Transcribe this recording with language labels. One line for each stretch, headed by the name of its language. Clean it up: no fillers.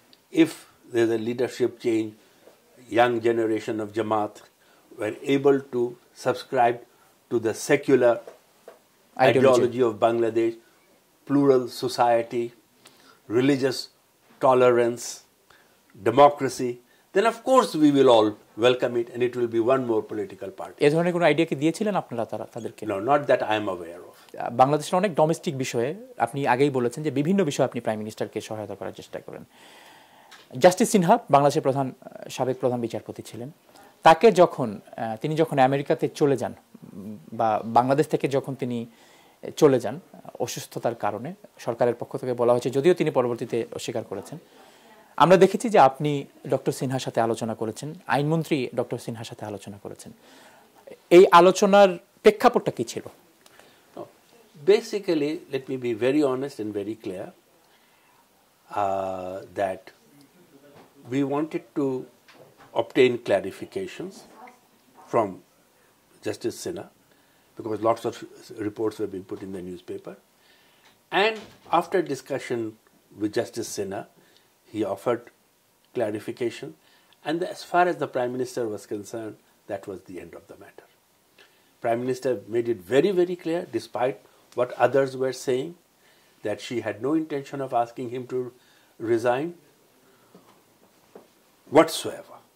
English: If there's a leadership change, young generation of Jamaat were able to subscribe to the secular ideology of Bangladesh, plural society, religious tolerance, democracy, then of course we will all welcome it and it will be one more political party.
Bangla: এই ধরনের কোনো idea কি দিয়েছিলেন আপনারা তাদেরকে?
English: No, not that I am aware of.
Bangla: বাংলাদেশের অনেক domestic বিষয়ে আপনি আগেই বলেছেন যে বিভিন্ন বিষয়ে আপনি প্রাইম মিনিস্টারকে সহায়তা করার চেষ্টা করেন। জাস্টিস সিনহা বাংলাদেশের প্রধান সাবেক প্রধান বিচারপতি ছিলেন, তাকে যখন তিনি যখন আমেরিকাতে চলে যান বা বাংলাদেশ থেকে যখন তিনি চলে যান অসুস্থতার কারণে, সরকারের পক্ষ থেকে বলা হয়েছে যদিও তিনি পরবর্তীতে অস্বীকার করেছেন, আমরা দেখেছি যে আপনি ডক্টর সিনহার সাথে আলোচনা করেছেন, আইনমন্ত্রী ডক্টর সিনহার সাথে আলোচনা করেছেন, এই আলোচনার প্রেক্ষাপটটা কি ছিল?
English: Basically let me be very honest and very clear that we wanted to obtain clarifications from justice Sinha, because lots of reports have been put in the newspaper, and after discussion with justice Sinha, he offered clarification And as far as the Prime Minister was concerned, that was the end of the matter. Prime Minister made it very, very clear, despite what others were saying, that she had no intention of asking him to resign whatsoever.